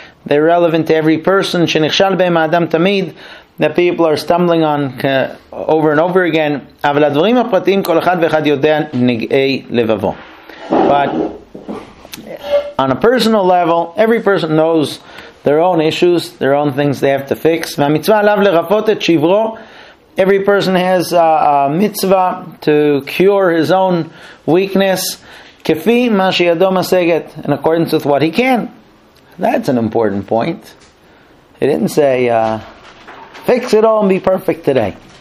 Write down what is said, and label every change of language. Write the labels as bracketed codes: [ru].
[en] They're relevant to every person. [he] Shenichshal beim adam tamid, [en] that people are stumbling on over and over again. [he] אבל הדברים הפרטיים כל אחד ואחד יודע נגעי לבבו. [en] But on a personal level, every person knows their own issues, their own things they have to fix. [he] והמצווה עליו לרפות את שברו. [en] Every person has a mitzvah to cure his own weakness. [he] כפי מה שידו משגת, [en] in accordance with what he can. That's an important point. He didn't say fix it all and be perfect today.